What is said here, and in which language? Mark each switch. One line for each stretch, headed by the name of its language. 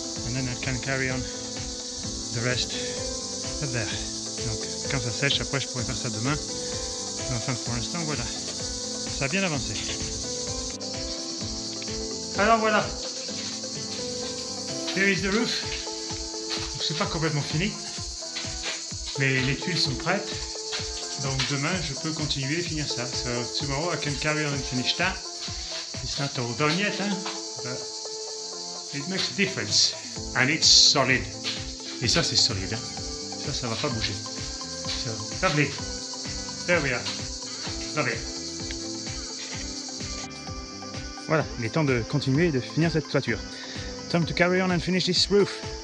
English: And then I can carry on the rest up there.
French: Donc quand ça sèche, après je pourrais faire ça demain. Mais enfin pour l'instant, voilà. Ça a bien avancé. Alors voilà.
English: Here is the roof.
French: Donc, c'est pas complètement fini. Mais les tuiles sont prêtes. Donc demain, je peux continuer et finir ça.
English: So tomorrow, I can carry on and finish that. It's not all done yet, hein. But it makes a difference. And it's solid.
French: Et ça, c'est solide. Hein? Ça, ça va pas bouger.
English: So, lovely. There we are. Lovely.
French: Voilà, il est temps de continuer et de finir cette toiture.
English: Time to carry on and finish this roof.